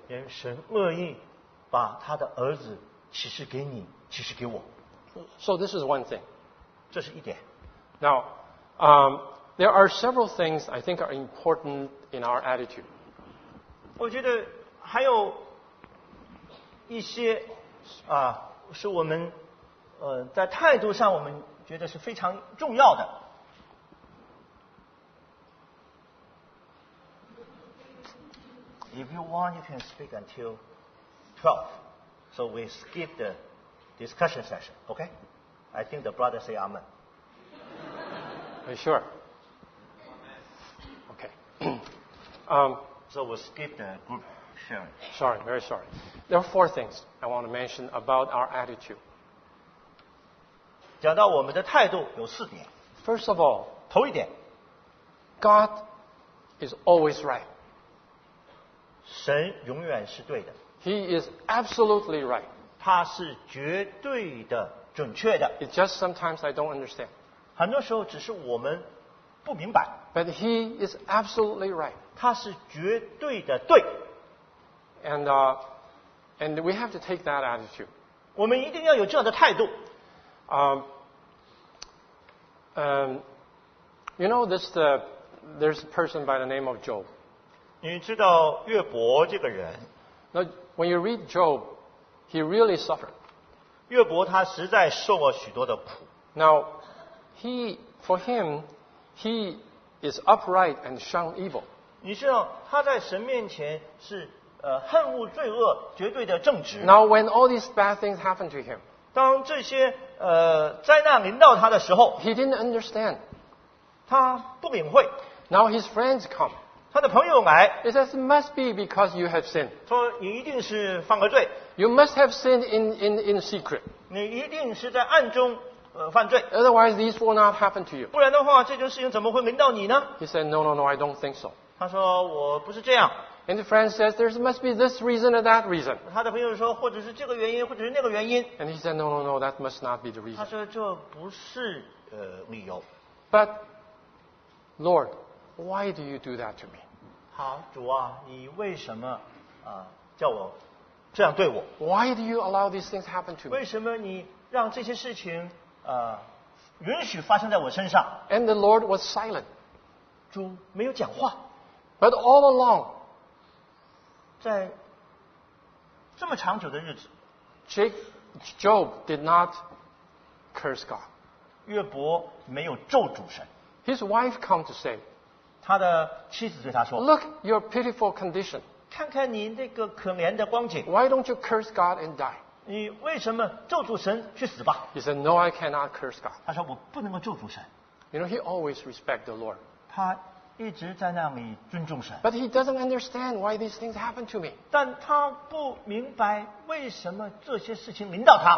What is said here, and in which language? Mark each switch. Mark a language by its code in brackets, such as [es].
[zh] 因为神乐意把他的儿子启示给你，启示给我。 [en] So this is one thing. [zh] 这是一点。 [en] Now, there are several things I think are important in our attitude. [zh] 我觉得还有一些啊，是我们在态度上我们觉得是非常重要的。 [en] If you want, you can speak until 12. So we skip the discussion session, okay? I think the brother say amen. Are you sure? Okay. So we'll skip the group sharing. Sorry, very sorry. There are four things I want to mention about our attitude. [zh] 讲到我们的态度有四点。 [en] First of all, [zh] 头一点， [en] God is always right. [zh] 神永远是对的。 [en] He is absolutely right. [zh] 他是绝对的准确的。 [en] It's just sometimes I don't understand. [zh] 很多时候只是我们不明白。 [en] But he is absolutely right. [zh] 他是绝对的对。 [en] And we have to take that attitude. [zh] 我们一定要有这样的态度。 [en] You know, there's a person by the name of Job. [zh] 你知道约伯这个人。 [en] Now, when you read Job, he really suffered. [zh] 约伯他实在受了许多的苦。 [en] Now, for him, he is upright and shun evil. [zh] 你知道他在神面前是恨恶罪恶，绝对的正直。 [en] Now, when all these bad things happen to him, [zh] 当这些灾难临到他的时候， [en] he didn't understand. [zh] 他不领会。 [en] Now his friends come. [zh] 他的朋友来。 [en] He says, it must be because you have sinned. [zh] 说你一定是犯个罪。 [en] You must have sinned in secret. [zh] 你一定是在暗中犯罪。 [en] Otherwise, these will not happen to you. [zh] 不然的话，这件事情怎么会临到你呢？ [en] He said, no, no, no, I don't think so. [zh] 他说我不是这样。 [en] And the friend says, there must be this reason or that reason. [zh] 他的朋友说，或者是这个原因，或者是那个原因。 [en] And he said, no, no, no, that must not be the reason. [zh] 他说这不是理由。 [en] But Lord, why do you do that to me? [zh] 好，主啊，你为什么叫我这样对我？ [en] Why do you allow these things happen to me? [zh] 为什么你让这些事情允许发生在我身上？ [en] And the Lord was silent. [zh] 主没有讲话。 [en] But all along, [zh] 在这么长久的日子， [en] Job did not curse God. [zh] 约伯没有咒主神。 [en] His wife came to say, [zh] 他的妻子对他说， [en] Look your pitiful condition. [zh] 看看你那个可怜的光景。 [en] Why don't you curse God and die? [zh] 你为什么咒主神去死吧？ [en] He said, No, I cannot curse God. [zh] 他说我不能够咒主神。 [en] You know, he always respect the Lord. [zh] 他一直在那里尊重神。 [en] But he doesn't understand why these things happen to me. [zh] 但他不明白为什么这些事情临到他。